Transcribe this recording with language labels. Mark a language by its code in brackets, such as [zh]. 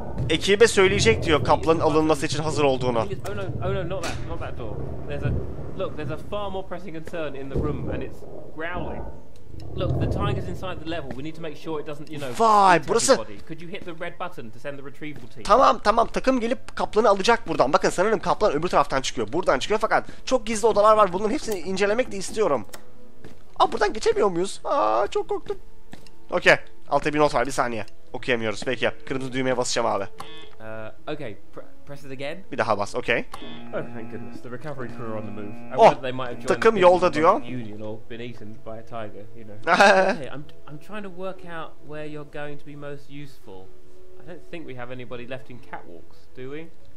[tr] Ekibe söyleyecek diyor kaplanın alınması için hazır olduğunu. [en] Oh no, not that door. There's a far more pressing concern in the room, and it's growling. Look, the tiger's inside the level. We need to make sure it doesn't, you know. [tr] Vay, burası. [en] Could you hit the red button to send the retrieval team? [tr] Tamam, takım gelip kaplanı alacak buradan. Bakın, sanırım kaplan öbür taraftan çıkıyor. Buradan çıkıyor fakat çok gizli odalar var. Bunların hepsini incelemek de istiyorum. Buradan geçemiyor muyuz? Çok korktum. Okey. Altta bir not var. Bir saniye. Okuyamıyoruz. Peki ya. Kırmızı düğmeye basacağım abi. [en] Okay. Press it again. [tr] Bir daha bas. Okay. [en] Oh, thank goodness. The recovery crew are on the move. I wonder they might have joined. [tr] Takım yolda diyor. [en] Union or been eaten by a tiger, you know. Okay, I'm trying to work out where you're going to be most useful. I don't think we have anybody left in catwalks, do we?